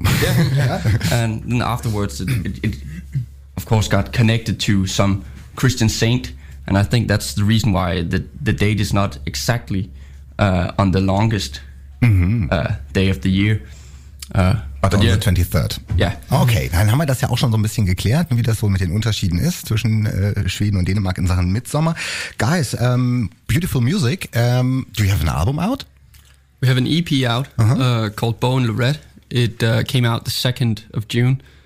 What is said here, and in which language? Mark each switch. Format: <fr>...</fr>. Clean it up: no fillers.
<en>Yeah. And then afterwards, it of course got connected to some Christian saint. And I think that's the reason why the date is not exactly on the longest day of the year. But on the 23rd.</en> <de>Ja. Okay, dann haben wir das ja auch schon so ein bisschen geklärt, wie das so mit den Unterschieden ist zwischen Schweden und Dänemark in Sachen Midsommar.</de> <en>Guys, beautiful music. Do you have an album out? We have an EP out called Bow and Lorette. It came out the 2nd of June.</en>